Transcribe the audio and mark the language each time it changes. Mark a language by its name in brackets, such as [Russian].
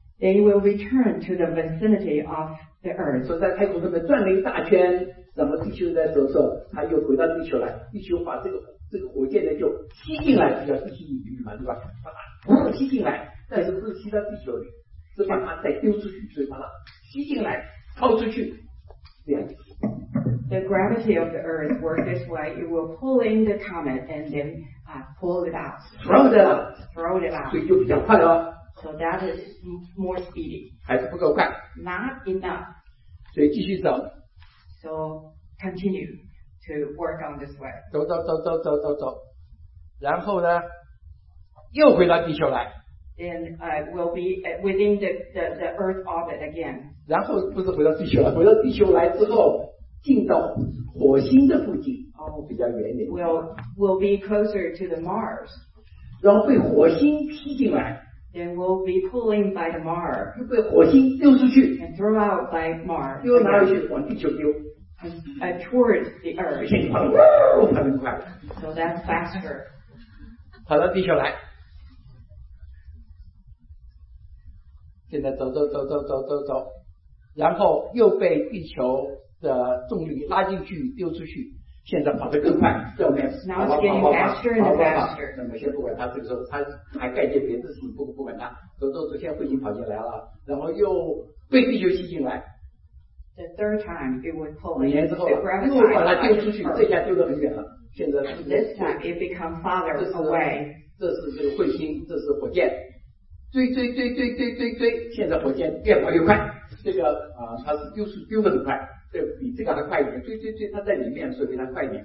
[English] They will return to the vicinity of the Earth. [Chinese] 所以在太空上面转了一大圈，然后地球在走的时候，它又回到地球来。地球把这个火箭呢就吸进来，叫地心引力嘛，对吧？把它吸进来，但是不是吸到地球里，是把它再丢出去，所以把它吸进来，抛出去，这样子。 [English] the gravity of the earth works this way. It will pull in the comet and then pull it out. Throw it out. So that is more speedy. [Chinese] 还是不够快. [English] Not enough. [Chinese] 所以继续走. [English] So continue to work on this way. [Chinese] 走走走走走走走走.然后呢?又回到地球来. [English] Then will be within the Earth orbit again. [Chinese] 然后不是回到地球来，回到地球来之后，进到火星的附近， oh, 比较远点。 [English] Will be closer to the Mars. [Chinese] 然后被火星吸进来。 [English] Then will be pulling by the Mars. [Chinese] 又被火星丢出去。 [English] And throw out by Mars. [Chinese] 又拿回去往地球丢。 [English] And towards the Earth. [Chinese] 而且你跑得快，跑得快。 [English] So that's faster. [Chinese] 跑到地球来。现在走走走走走走走， 然后又被地球的重力拉进去丢出去， 现在跑得更快。 [English] Now it's getting faster and faster. [Chinese] 那么先不管它，这个时候它还干些别的事情，不管它， 走走走，现在已经跑进来了， 然后又被地球吸进来。 [English] The third time it would pull in. [Chinese] 五年之后又把它丢出去， 这下丢得很远了。 [English] This time it become farther away. [Chinese] 这是这个彗星， 这是火箭。追追追追追追追！现在火箭越跑越快，这个它是丢的很快，这比这个还快一点。追追追，它在里面，所以它快一点。